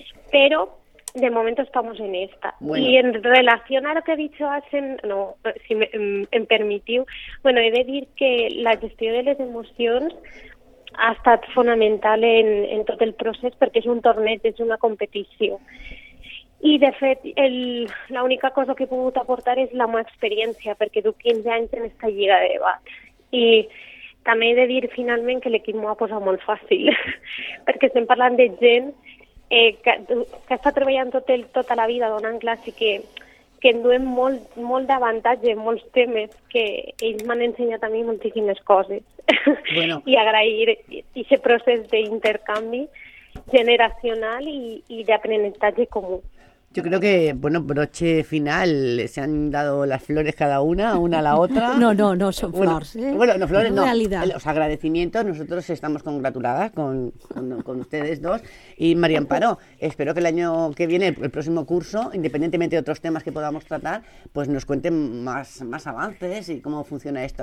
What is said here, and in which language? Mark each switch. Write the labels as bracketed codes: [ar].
[es] Pero de momento estamos en esta. Bueno. Y en relación a lo que ha dicho Asen, no, si me permitió, bueno, he de decir que la gestión de las emociones ha estado fundamental en todo el proceso, porque es un torneo, es una competición. [ca] I, de fet, l'única cosa que he pogut aportar és la meva experiència, perquè duc 15 anys en aquesta lliga de debat. I també he de dir, finalment, que l'equip m'ho ha posat molt fàcil, perquè estem parlant de gent que està treballant tota la vida donant classe, que en duen molt d'avantatge, molts temes, que ells m'han ensenyat a mi moltíssimes coses. Bueno. I agrair aquest procés d'intercanvi generacional i d'aprenentatge comú. [es] Yo creo que, bueno, broche final, se han dado las flores cada una a la otra. No, son flores. Bueno, no flores, no. Los agradecimientos, nosotros estamos congratuladas con ustedes dos. Y María Amparo, espero que el año que viene, el próximo curso, independientemente de otros temas que podamos tratar, pues nos cuenten más avances y cómo funciona esto.